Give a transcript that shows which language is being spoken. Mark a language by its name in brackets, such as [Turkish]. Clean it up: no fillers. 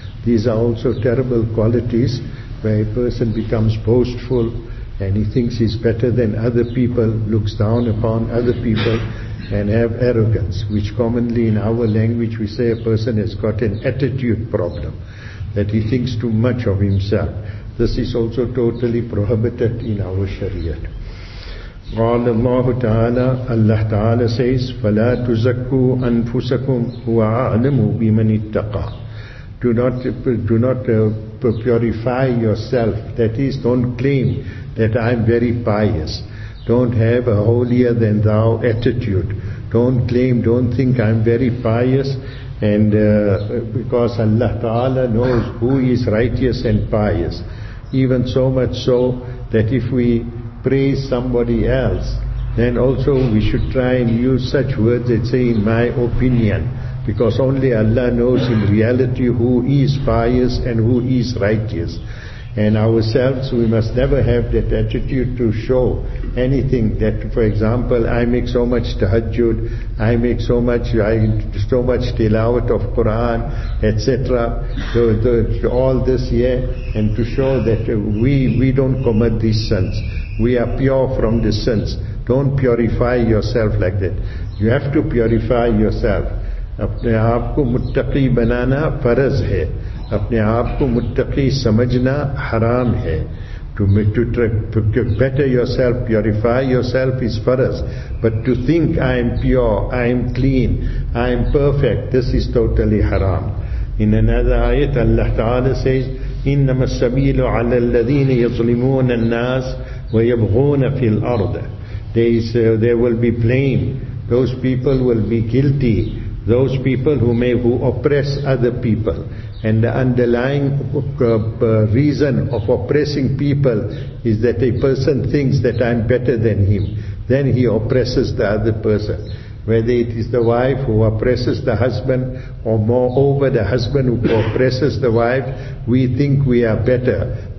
[English] These are also terrible qualities where a person becomes boastful and he thinks he's better than other people, looks down upon other people and have arrogance, which commonly in our language we say a person has got an attitude problem, that he thinks too much of himself. This is also totally prohibited in our Shariat. [Arabic] قال الله تعالى, [English] Allah Ta'ala says, [Arabic] فَلَا تُزَكُّوا أَنفُسَكُمْ وَأَعْلَمُوا بِمَنِ اتَّقَى. [English] Do not purify yourself. That is, don't claim that I am very pious. Don't have a holier-than-thou attitude. Don't claim, don't think I am very pious. And because Allah Ta'ala knows who is righteous and pious. Even so much so that if we praise somebody else, then also we should try and use such words that say, in my opinion. Because only Allah knows in reality who is pious and who is righteous. And ourselves, we must never have that attitude to show anything that, for example, I make so much tahajjud, I make so much tilawat of Quran, etc. All this, yeah, and to show that we don't commit these sins. We are pure from the sins. Don't purify yourself like that. You have to purify yourself. [Urdu] اپنے آپ کو متقی بنانا فرض ہے. اپنے آپ کو متقی سمجھنا حرام ہے. [English] To better yourself, purify yourself is faraz. But to think I am pure, I am clean, I am perfect, this is totally haram. In another ayat, Allah Ta'ala says, [Arabic] إِنَّمَا السَّبِيلُ عَلَى الَّذِينَ يَظْلِمُونَ النَّاسِ وَيَبْغُونَ فِي الْأَرْضِ. [English] There will be blame. Those people will be guilty. Those people who oppress other people. And the underlying reason of oppressing people is that a person thinks that I'm better than him. Then he oppresses the other person. Whether it is the wife who oppresses the husband, or moreover the husband who oppresses the wife, we think we are better.